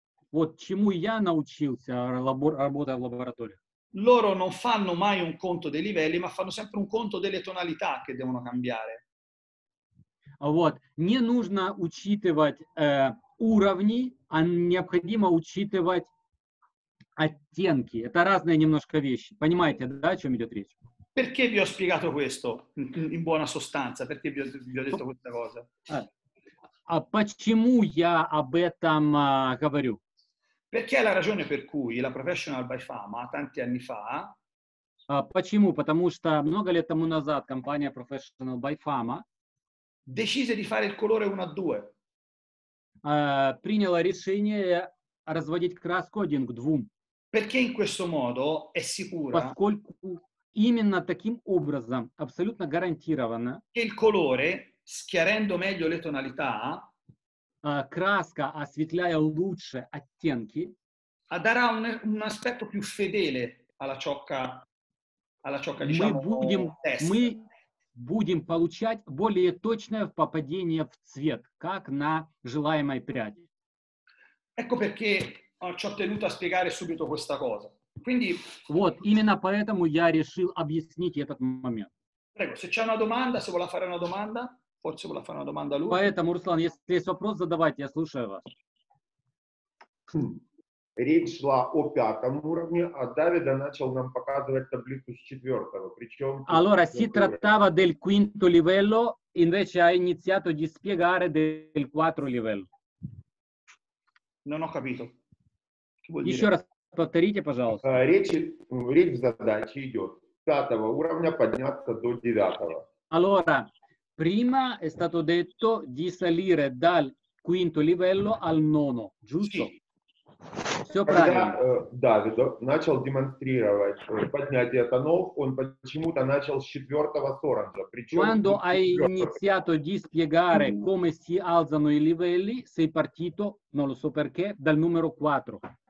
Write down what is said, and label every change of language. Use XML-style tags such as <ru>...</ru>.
<ru>Вот чему я научился, работая в лаборатории.</ru> <it>Loro non fanno mai un conto dei livelli, ma fanno sempre un conto delle tonalità che devono cambiare.</it> <ru>Вот. Не нужно учитывать уровни, а необходимо учитывать оттенки. Это разные немножко вещи. Понимаете, да, о чем идет речь?</ru> <it>Perché vi ho spiegato questo, in buona sostanza? Perché vi ho detto questa cosa?</it> <ru>А почему я об этом говорю?</ru> <it>Perché è la ragione per cui la Professional by Fama, tanti anni fa...</it> <ru>Почему? Потому что много лет тому назад компания Professional by Fama</ru> <it>decise di fare il colore 1 a 2.</it> <ru>Приняла решение разводить краску 1 к 2.</ru> <it>Perché in questo modo è sicura.</it> <ru>Поскольку именно таким образом абсолютно гарантированно.</ru> <it>Che il colore, schiarendo meglio le tonalità,</it> <ru>краска осветляя лучше оттенки,</ru> <it>darà un aspetto più fedele alla ciocca, diciamo.</it> <ru>Мы будем получать более точное попадение в цвет, как на желаемой пряди.</ru> <it>Ecco perché ci ho tenuto a spiegare subito questa cosa. Quindi,</it> <ru>вот, именно поэтому я решил объяснить этот момент.</ru> <it>Prego, se c'è una domanda, se vuole fare una domanda, forse vuole fare una domanda lui.</it> <ru>Поэтому, Руслан, если есть вопрос, задавайте, я слушаю вас. Речь шла о пятом уровне, а Давида начал нам показывать таблицу с четвертого. Причем...</ru> <it>Allora, si trattava del quinto livello, invece ha iniziato di spiegare del quattro livello. Non ho capito.</it> <ru>Еще раз повторите, пожалуйста. Речь в задаче идет. С пятого уровня подняться до девятого.</ru> <it>Allora, prima è stato detto di salire dal quinto livello al nono, giusto? Sì.</it> <ru>Все Когда правильно. Давид начал демонстрировать поднятие тонов, он почему-то начал с четвертого с оранжа.</ru> <it>Quando hai iniziato di spiegare come si alzano i livelli, sei partito, non lo so perché, dal numero 4.</it>